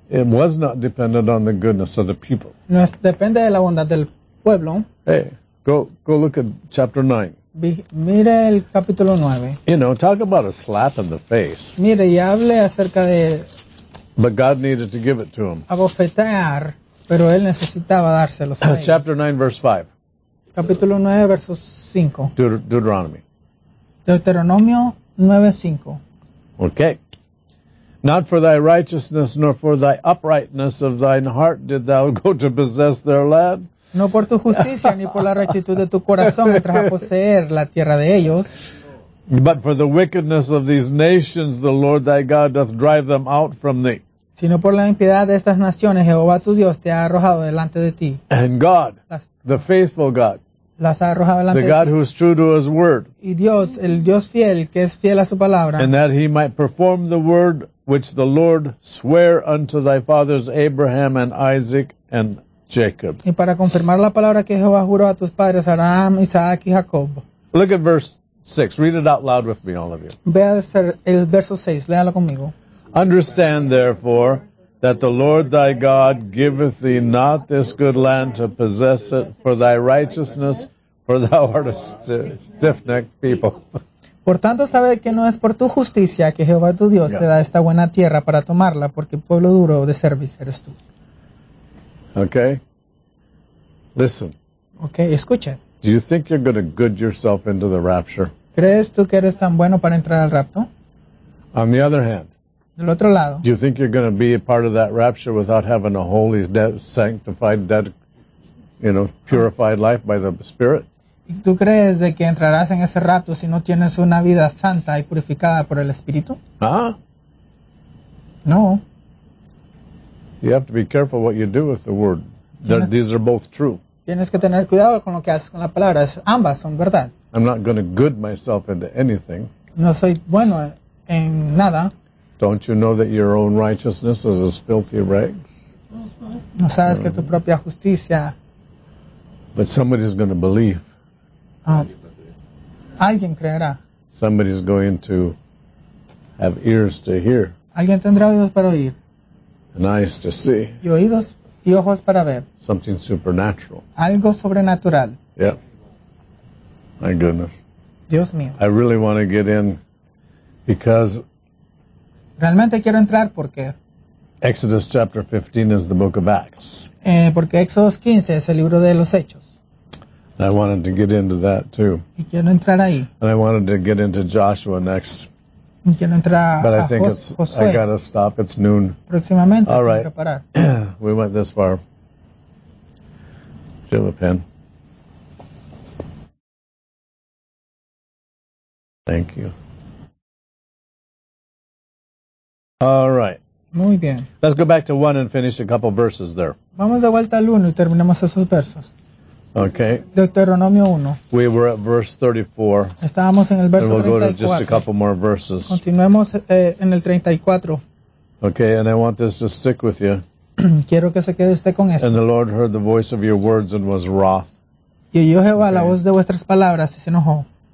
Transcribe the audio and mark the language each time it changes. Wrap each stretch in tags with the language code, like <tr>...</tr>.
<en>It was not dependent on the goodness of the people.</en> <es>No es, depende de la bondad del pueblo.</es> <en>Hey, go look at chapter 9.</en> <es>Mire el capítulo 9.</es> <en>You know, talk about a slap in the face.</en> <es>Mire, y hable acerca de...</es> <en>But God needed to give it to him.</en> <es>Abofetear, pero él necesitaba dárselo.</es> <en>Chapter 9, verse 5.</en> <es>Capítulo 9, verso 5.</es> <en>Deuteronomy.</en> <es>Deuteronomio 9, 5.</es> <en>Okay. Not for thy righteousness, nor for thy uprightness of thine heart did thou go to possess their land.</en> <es>No por tu justicia ni por la rectitud de tu corazón entras a poseer la tierra de ellos.</es> <en>But for the wickedness of these nations, the Lord thy God doth drive them out from thee.</en> <es>Sino por la impiedad de estas naciones, Jehová tu Dios te ha arrojado delante de ti.</es> <en>And God, the faithful God,</en> <es>las ha arrojado delante de ti.</es> <en>The God who is true to his word.</en> <es>Y Dios, el Dios fiel, que es fiel a su palabra.</es> <en>And that he might perform the word which the Lord swore unto thy fathers Abraham and Isaac and Jacob.</en> <es>Y para confirmar la palabra que Jehová juró a tus padres, Abraham, Isaac y Jacob.</es> <en>Look at verse 6. Read it out loud with me, all of you.</en> <es>Vea el verso 6. Léalo conmigo.</es> <en>Understand, therefore, that the Lord thy God giveth thee not this good land to possess it for thy righteousness, for thou art a stiff-necked people.</en> <es>Por tanto, sabe que no es por tu justicia que Jehová tu Dios te da esta buena tierra para tomarla, porque pueblo duro de servicio eres tú.</es> <en>Okay? Listen.</en> <es>Okay, escucha.</es> <en>Do you think you're going to good yourself into the rapture?</en> <es>¿Crees tú que eres tan bueno para entrar al rapto?</es> <en>On the other hand,</en> <es>del otro lado,</es> <en>do you think you're going to be a part of that rapture without having a holy, sanctified, purified life by the Spirit?</en> <es>¿Tú crees de que entrarás en ese rapto si no tienes una vida santa y purificada por el Espíritu? Ah. No.</es> <en>You have to be careful what you do with the word. These are both true.</en> <es>Tienes que tener cuidado con lo que haces con la palabra. Ambas son verdad.</es> <en>I'm not going to good myself into anything.</en> <es>No soy bueno en nada.</es> <en>Don't you know that your own righteousness is as filthy rags?</en> <es>No sabes que tu propia justicia.</es> <en>But somebody's going to believe.</en> <es>Alguien creerá.</es> <en>Somebody's going to have ears to hear.</en> <es>Alguien tendrá oídos para oír.</es> <en>And eyes to see.</en> <es>Y oídos y ojos para ver.</es> <en>Something supernatural.</en> <es>Algo sobrenatural.</es> <en>Yeah. My goodness.</en> <es>Dios mío.</es> <en>I really want to get in because.</en> <es>Realmente quiero entrar porque</es> <en>Exodus chapter 15 is the book of Acts.</en> <es>Porque Éxodo 15 es el libro de los Hechos.</es> <en>I wanted to get into that too.</en> <es>Y quiero entrar ahí.</es> <en>And I wanted to get into Joshua next.</en> <es>Y quiero entrar</es> <en>but a I think</en> <es>Josué.</es> <en>I gotta stop. It's noon.</en> <es>Próximamente.</es> <en>All right.</en> <es>Tengo que parar.</es> <en>We went this far. Fill the pen. Thank you. All right.</en> <es>Muy bien.</es> <en>Let's go back to 1 and finish a couple verses there.</en> <es>Vamos de vuelta al 1 y terminamos esos versos.</es> <en>Okay.</en> <es>Deuteronomio 1.</es> <en>We were at verse 34.</en> <es>Estábamos en el verso 34.</es> <en>And we'll go to just a couple more verses.</en> <es>Continuemos en el 34.</es> <en>Okay, and I want this to stick with you.</en> <es>Quiero que se quede usted con esto.</es> <en>And the Lord heard the voice of your words and was wroth.</en> <es>Y oyó Jehová la voz de vuestras palabras y se enojó.</es>